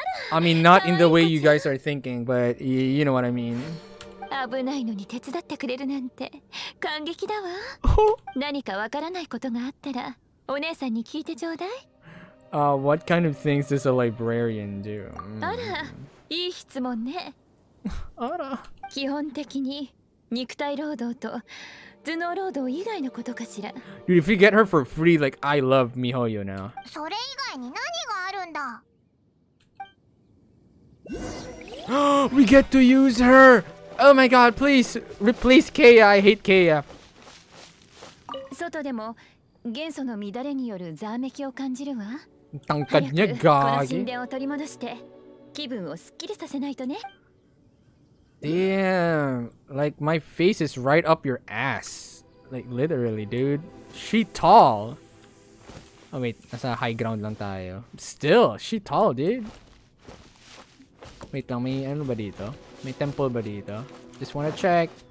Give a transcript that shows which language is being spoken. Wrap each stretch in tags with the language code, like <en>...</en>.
<en>I mean, not in the way you guys are thinking, but you know what I mean. What kind of things does a librarian do?</en> <ja>あら、いい質問ね。あら。基本的に肉体労働と頭脳労働以外のことかしら。</ja> <en>If you get her for free, like I love MiHoYo now.</en> <ja>それ以外に何があるんだ?</ja> <en>We get to use her. Oh my god, please replace Kaya. I hate Kaya.</en> <ja>外でも元素の乱れによるざわめきを感じるわ。なんかね、ガーギ。この神殿を取り戻して気分をすっきりさせないとね。</ja> <en>Damn, like my face is right up your ass. Like literally, dude. She tall. Oh wait,</en> <tl>nasa high ground lang tayo.</tl> <en>Still, she tall, dude. Wait</en> <tl>lang, may ano ba dito?</tl> <en>May temple ba dito? Just wanna check.</en>